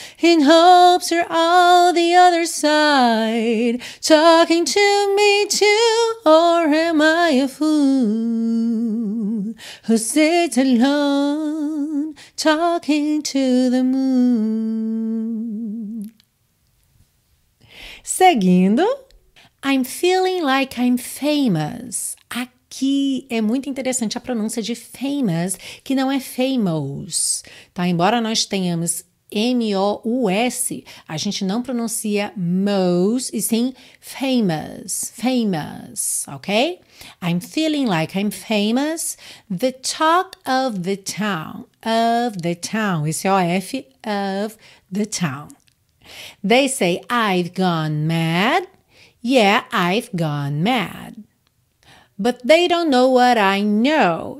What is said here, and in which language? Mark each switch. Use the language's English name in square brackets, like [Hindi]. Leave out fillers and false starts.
[English] In hopes you're on the other side, talking to me too, or am I a fool who sits alone, talking to the moon? Seguindo, I'm feeling like I'm famous. [Portuguese] Aqui é muito interessante a pronúncia de famous, que não é famous, tá? Embora nós tenhamos M-O-U-S, a gente não pronuncia mous, e sim famous, famous, ok? [English] I'm feeling like I'm famous, the talk of the town, esse O-F, of the town. They say I've gone mad, yeah, I've gone mad. But they don't know what I know.